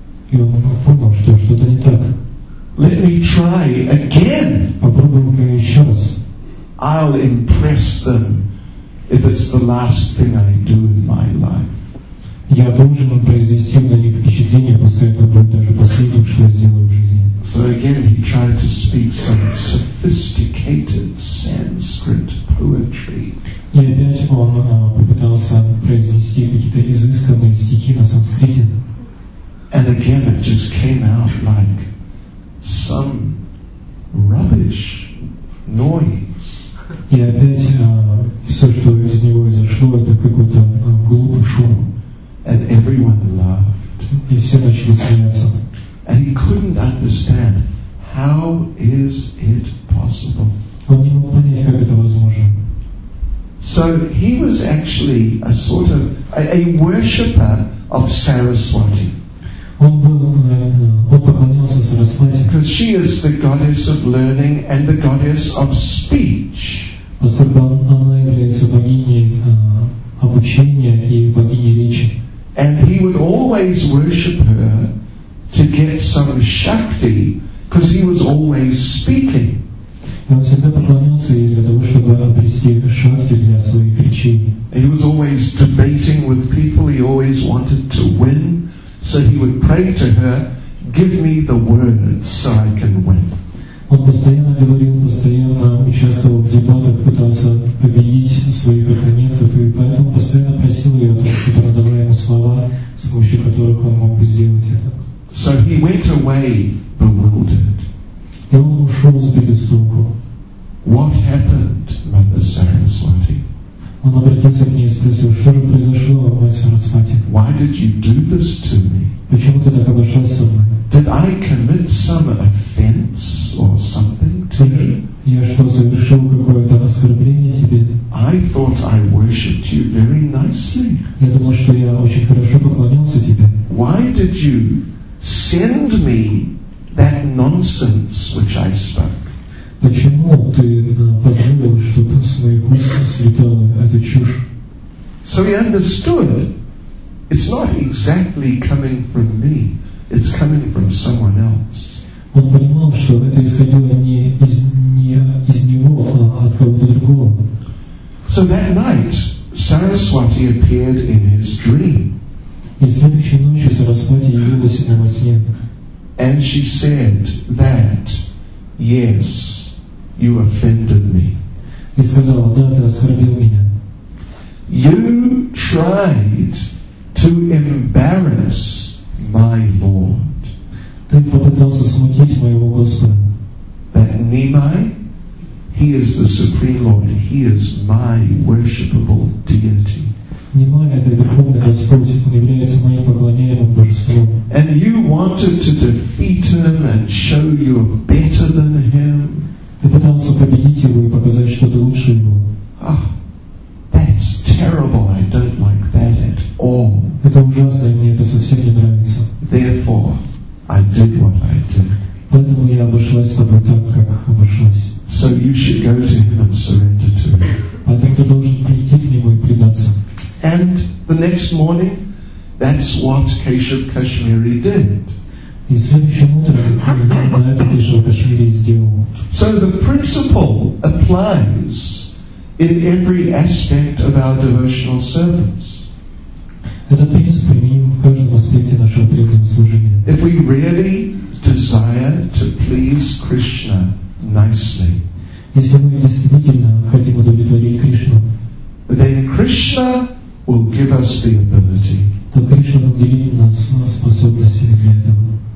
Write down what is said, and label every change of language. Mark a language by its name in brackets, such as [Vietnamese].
[Russian] И он понял, что что-то не так. [English] Let me try again. [Russian] Попробуем-ка еще раз. [English] I'll impress them if it's the last thing I do in my life. [Russian] Я должен произвести на них впечатление, после этого будет даже последним, что я сделаю в жизни. [English] So again he tried to speak some sophisticated Sanskrit poetry. [Russian] И опять он попытался произнести какие-то изысканные стихи на санскрите. [English] And again it just came out like some rubbish noise. [Russian] И опять все, что из него изошло, это какой-то глупый шум. [English] And everyone laughed. [Russian] И все начали смеяться. [English] And he couldn't understand, how is it possible? [Russian] Он не мог понять, как это возможно. [English] So he was actually a sort of a worshipper of Saraswati. [Russian] Он был, он поклонялся Сарасвати. [English] Because she is the goddess of learning and the goddess of speech. [Russian] Она является богиней обучения и богиней речи. [English] And he would always worship her to get some shakti, because he was always speaking. [Russian] И он всегда поклонялся ей для того, чтобы обрести шахти для своих речений. [English] He was always debating with people, he always wanted to win. So he would pray to her, give me the words so I can win. [Russian] Он постоянно говорил, постоянно участвовал в дебатах, пытался победить своих оппонентов, и поэтому постоянно просил ее, чтобы она дала ему слова, с помощью которых он мог бы сделать это. [English] So he went away bewildered. [Russian] И он ушел с бедестоку. [English] What happened, Mother Saraswati? [Russian] Он обратился к ней и спросил, что же произошло, мать Сарасвати? [English] Why did you do this to me? [Russian] Почему ты так обошелся со мной? [English] Did I commit some offense or something to you? [Russian] Я что, совершил какое-то оскорбление тебе? [English] I thought I worshipped you very nicely. [Russian] Я думал, что я очень хорошо поклонялся тебе. [English] Why did you send me that nonsense which I spoke? [Russian] Почему ты позволил, чтобы с моих уст слетала эта чушь? [English] So he understood it's not exactly coming from me. It's coming from someone else. [Russian] Он понимал, что это исходило не из него, а от кого-то другого. [English] So that night, Saraswati appeared in his dream. [Russian] И следующей ночью Сарасвати явилась ему во сне. [English] And she said that, yes, you offended me. [Russian] И сказала, да, ты оскорбил меня. [English] You tried to embarrass my Lord. [Russian] Ты попытался смутить моего Господа. [English] That Nimai, he is the Supreme Lord, he is my worshipable deity. [Russian] Nimai, это Верховный Господь, он является моим поклоняемым божеством. [English] And you wanted to defeat him and show you are better than him. [Russian] Ты пытался победить его и показать, что ты лучше его. [English] Ah, that's terrible, I don't like that at all. [Russian] Это ужасно, мне это совсем не нравится. [English] Therefore, I did what I did. [Russian] Поэтому я обошлась с тобой так, как обошлась. [English] So you should go to him and surrender to him. [Russian] Поэтому ты должен прийти к нему и предаться. [English] And the next morning, that's what Keshav Kashmiri did. [Russian] И следующим утром на это Кешав Кашмири сделал. [English] So the principle applies in every aspect of our devotional service. [Russian] Это принцип применим в каждом аспекте нашего преданного служения. [English] If we really desire to please Krishna nicely, [Russian] если мы действительно хотим удовлетворить Кришну, [English] then Krishna will give us the ability. [Russian] То Кришна наделит нас способностями для этого.